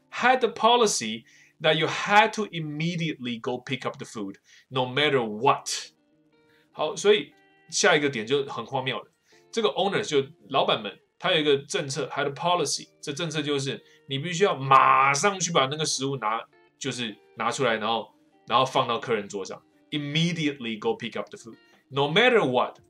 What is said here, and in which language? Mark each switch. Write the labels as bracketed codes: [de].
[en] Had the policy that you had to immediately go pick up the food, no matter what. [zh] 好，所以下一个点就很荒谬了。这个 owner 就老板们，他有一个政策 ， [en] had a policy。 [zh] 这政策就是你必须要马上去把那个食物拿出来，然后放到客人桌上。 [en] Immediately go pick up the food, no matter what.